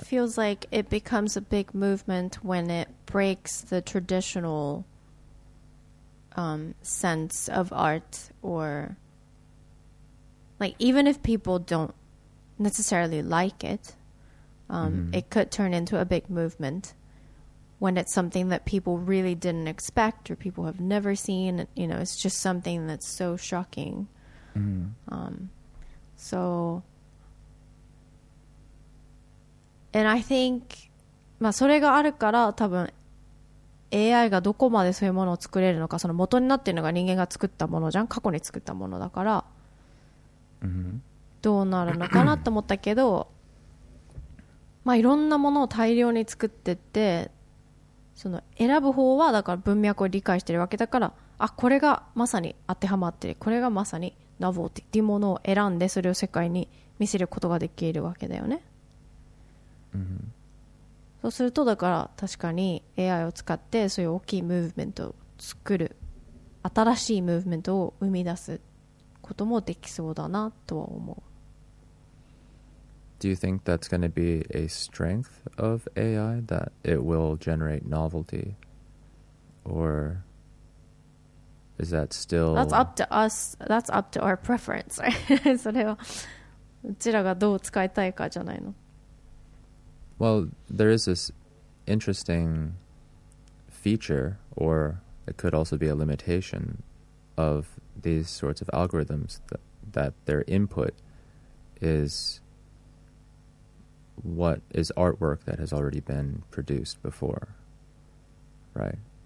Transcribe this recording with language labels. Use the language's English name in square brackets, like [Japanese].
[English] It feels like it becomes a big movement when it breaks the traditional sense of art, or like, even if people don't necessarily like it, it could turn into a big movement when it's something that people really didn't expect or people have never seen. You know, it's just something that's so shocking. Mm-hmm. And I think, [Japanese] それがあるから多分 AI がどこまでそういうものを作れるのか、その元になっているのが人間が作ったものじゃん、過去に作ったものだから、どうなるのかなと思ったけど、まあいろんなものを大量に作ってって、その選ぶ方はだから文脈を理解しているわけだから、あ、これがまさに当てはまってる、これがまさにナボっていうものを選んでそれを世界に見せることができるわけだよね。そうするとだから確かに AI を使ってそういう大きいムーブメントを作る、新しいムーブメントを生み出すこともできそうだなとは思う。 [English] Do you think that's going to be a strength of AI, that it will generate novelty, or is that still that's up to us, that's up to our preference? [Japanese] それはうちらがどう使いたいかじゃないの。 [English] Well, there is this interesting feature, or it could also be a limitation, of these sorts of algorithms, that their input is what is artwork that has already been produced before, right?